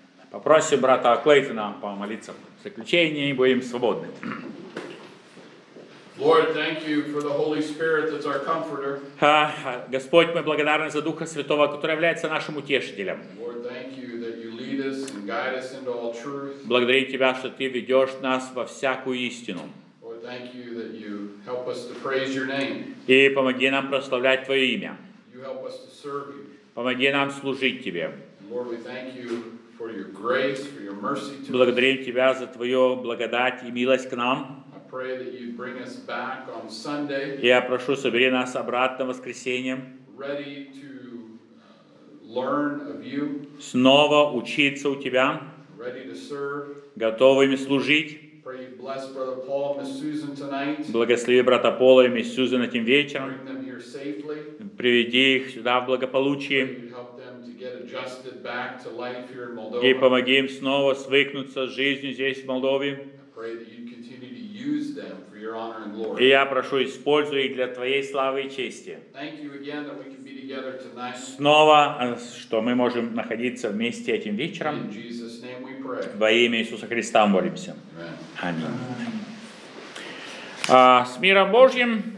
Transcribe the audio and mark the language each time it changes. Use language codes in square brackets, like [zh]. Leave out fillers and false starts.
[ru] Попросим брата Клейтона помолиться. В заключении будем свободны. [en] Lord, thank you for the Holy Spirit that's our comforter. [ru] Господь, мы благодарны за Духа Святого, который является нашим утешителем. [en] Lord, thank you that you lead us and guide us into all truth. [ru] Благодарим тебя, что ты ведешь нас во всякую истину. [en] Lord, thank you that you help us to praise your name. [ru] И помоги нам прославлять Твое имя. [en] You help us to serve you. [ru] Помоги нам служить Тебе. [en] Lord, we thank you for your grace, for your mercy to us. [ru] Благодарим Тебя за Твою благодать и милость к нам. [en] I pray that you'd bring us back on Sunday. [ru] Я прошу, собери нас обратно в воскресенье. [en] Ready to learn of you. [ru] Снова учиться у Тебя. [en] Ready to serve. [ru] Готовыми служить. [en] Pray you bless brother Paul and Miss Susan tonight. [ru] Благослови брата Пола и мисс Сьюзен этим вечером. [en] Bring them here safely. [ru] Приведи их сюда в благополучии. [en] Help them to get adjusted back to life here in Moldova. [ru] И помоги им снова свыкнуться с жизнью здесь в Молдове. [en] Pray that you continue to use them for your honor and glory. [ru] И я прошу, используй их для твоей славы и чести. [en] Thank you again that we can be together tonight. [ru] Снова, что мы можем находиться вместе этим вечером. [en] In Jesus' name we pray. [ru] Во имя Иисуса Христа молимся. Аминь. С миром Божьим.